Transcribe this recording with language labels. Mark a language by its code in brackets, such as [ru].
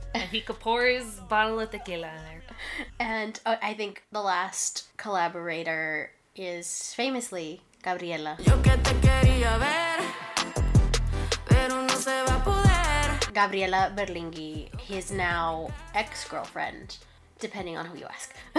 [en] And he could pour his bottle of tequila in there. And I think the last collaborator is famously Gabriela. [es] Yo que te quería ver, pero no se va a poder. [en] Gabriela Berlinghi, his now ex-girlfriend, depending on who you ask.